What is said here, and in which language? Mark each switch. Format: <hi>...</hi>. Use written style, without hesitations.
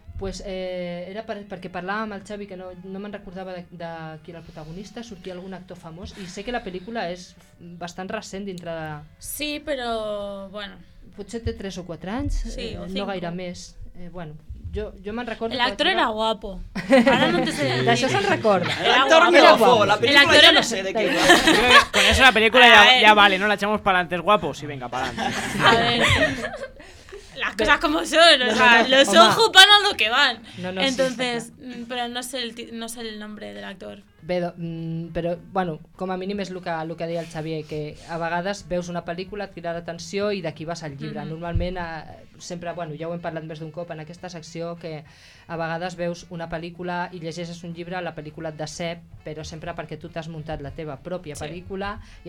<ca>Pues era perquè parlava amb el Xavi que no me'n recordava de qui era el protagonista, sortia algun actor famós i sé que la pel·lícula és bastant recent dintre de... Sí, però bueno... Potser té 3 o 4 anys, sí, no gaire més. Bueno, jo me'n recordo... L'actor era guapo. D'això se'n recorda. L'actor era guapo, la pel·lícula ja no sé de què.</ca> <es>Con eso la pel·lícula ya vale, no la echamos para adelante, es guapo, sí, venga, para adelante. A ver... Las cosas como son, ojos van a lo que van. Entonces, sí, pero no sé el nombre del actor.</es> <ca>Però bueno, com a mínim és el que deia el Xavier, que a vegades veus una pel·lícula, et crida l'atenció i d'aquí vas al llibre. Mm-hmm. Normalment, sempre, bueno, ja ho hem parlat més d'un cop en aquesta secció, que a vegades veus una pel·lícula i llegeixes un llibre, la pel·lícula et decep, però sempre perquè tu t'has muntat la teva pròpia pel·lícula, sí.</ca>